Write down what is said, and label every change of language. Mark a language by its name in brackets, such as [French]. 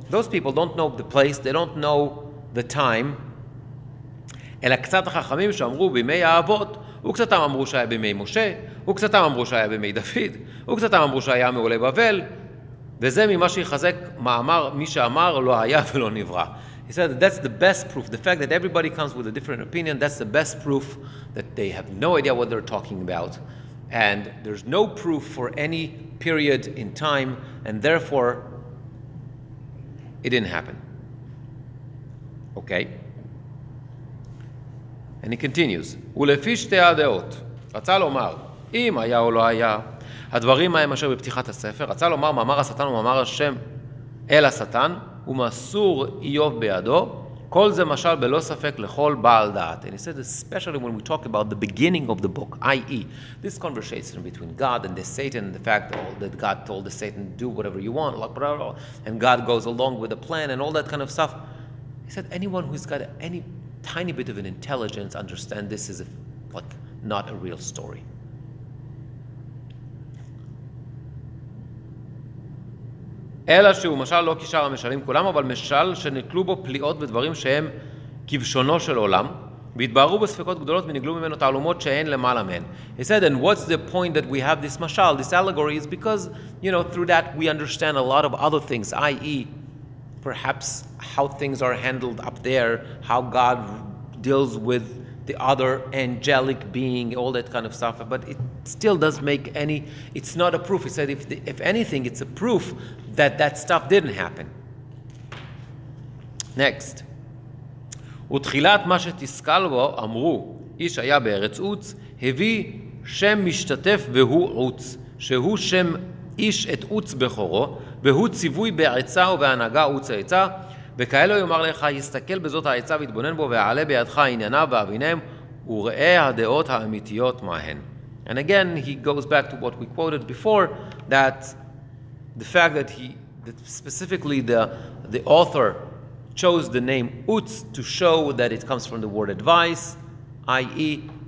[English] Those people don't know the place, they don't know the time. [Hebrew] אלא קצת החכמים שאמרו בימי האבות, וקצתם אמרו שהיה בימי משה, וקצתם אמרו שהיה בימי דוד, וקצתם אמרו שהיה מעולי בבל, וזה ממה שיחזק מאמר מי שאמר לא היה ולא נברא. [English] He said that that's the best proof, the fact that everybody comes with a different opinion, that's the best proof that they have no idea what they're talking about, and there's no proof for any period in time, and therefore it didn't happen. Okay. And he continues, [Hebrew] ולפי שתי הדעות, רצה לומר, אם היה או לא היה, הדברים מהם אשר בפתיחת הספר, רצה לומר, מאמר השטן ומאמר השם אל השטן, ומסור איוב בידו, כל זה משל בלא ספק לכל בעל דעת. [English] And he said, especially when we talk about the beginning of the book, i.e. this conversation between God and the Satan, the fact that God told the Satan, do whatever you want, blah, blah, blah, and God goes along with the plan and all that kind of stuff. He said, anyone who's got any tiny bit of an intelligence understand this is not a real story. [Hebrew] אלא שהוא משל לא כשאר המשלים כולם, אבל משל שנקלו בו פליאות בדברים שהם כבשונו של עולם, והתבהרו בספקות גדולות ונגלו ממנו תעלומות שאין למעלה מהן. [English] He said, and what's the point that we have this משל, this allegory, is because, you know, through that we understand a lot of other things, i.e. perhaps how things are handled up there, how God deals with the other angelic being, all that kind of stuff, but it still does make any, it's not a proof. He said, if anything, it's a proof that that stuff didn't happen. Next. [Hebrew] ותחילת מה שתסכל בו, אמרו, איש היה בארץ עוץ, הביא שם משתתף והוא עוץ, שהוא שם איש את עוץ בחורו, והוא ציווי בעצה ובהנהגה עוץ העצה, וכאלו יאמר לך, יסתכל בזאת העצה ויתבונן בו, ועלה בידך ענייניו ואביניהם, וראה הדעות האמיתיות מהן. [English] And again, he goes back to what we quoted before, that the fact that specifically the author chose the name Utz to show that it comes from the word advice, i.e.